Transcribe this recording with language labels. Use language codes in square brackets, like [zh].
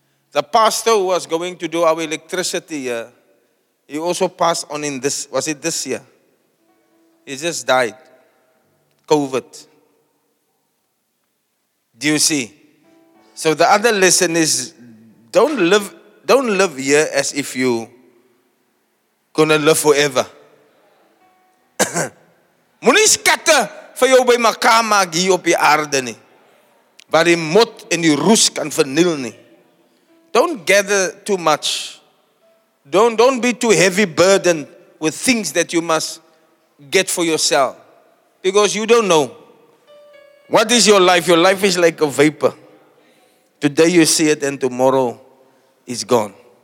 [en] The pastor who was going to do our electricity here, he also passed on in this, was it this year? He just died. COVID. Do you see? So the other lesson is, don't live here as if you gonna live forever. [af] Munis katte vir jou by mekaar maak hier op die aarde nie. Waar die mot en die roes kan verniel nie. [en] Don't gather too much. Don't be too heavy burdened with things that you must get for yourself. Because you don't know. What is your life? Your life is like a vapor. Today you see it and tomorrow is gone.